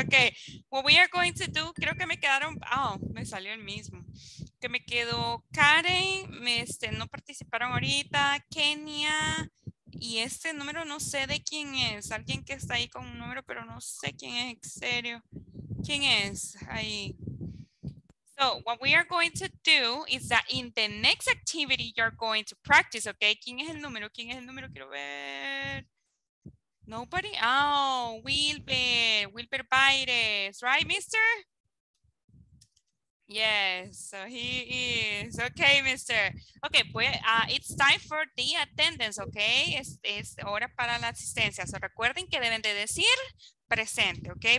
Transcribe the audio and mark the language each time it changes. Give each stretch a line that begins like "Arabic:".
Spanish: Okay,
English: what we are going to do,
Spanish: creo que me quedaron, oh, me salió el mismo. Que me quedó Karen, no participaron ahorita, Kenia, y este número no sé de quién es. Alguien que está ahí con un número, pero no sé quién es, en serio. ¿Quién es ahí?
English: So what we are going to do is that in the next activity, you're going to practice, okay?
Spanish: ¿Quién es el número? ¿Quién es el número? Quiero ver. Nobody?
English: Oh, Wilber. Wilber Baires. Right, mister? Yes, so he is. Okay, mister. Okay, pues, it's time for the attendance, okay?
Spanish: Es hora para la asistencia. So recuerden que deben de decir presente, okay?